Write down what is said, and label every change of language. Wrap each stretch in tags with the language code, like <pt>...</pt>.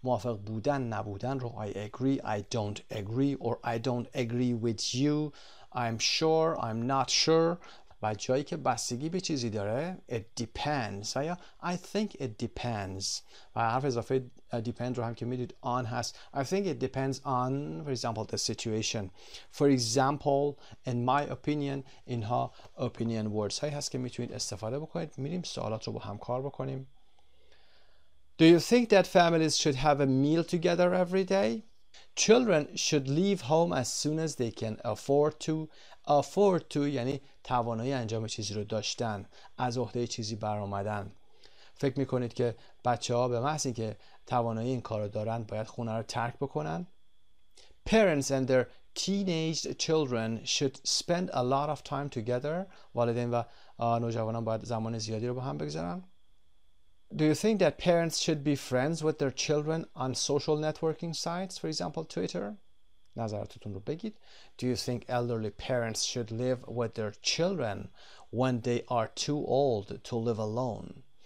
<fa>موافق بودن، نبودن رو</fa> <en>I agree، I don't agree or I don't agree with you، I'm sure، I'm not sure.</en> <fa>و جایی که بستگی به چیزی داره</fa> <en>it depends</en> <fa>یا</fa> <en>I think it depends.</en> <fa>و حرف اضافه depend رو هم که میدید on هست.</fa> <en>I think it depends on for example the situation. For example in my opinion.</en> <fa>اینها opinion words هایی هست که میتونید استفاده بکنید. میریم سوالات رو با هم کار بکنیم.</fa> <en>Do you think that families should have a meal together every day؟ Children should leave home as soon as they can afford to.</en> <fa>Afford to یعنی توانایی انجام چیزی رو داشتن، از عهده چیزی برآمدن. فکر میکنید که بچه ها به محض اینکه توانایی این کار رو دارن باید خونه رو ترک بکنن؟</fa> <en>Parents and their teenaged children should spend a lot of time together.</en> <fa>والدین و نوجوانان باید زمان زیادی رو با هم بگذارن.</fa> <en>Do you think that parents should be friends with their children on social networking sites, for example, Twitter?</en> <fa>نظرتون رو بگید.</fa> <en>Do you think elderly parents should live with their children when they are too old to live alone?</en>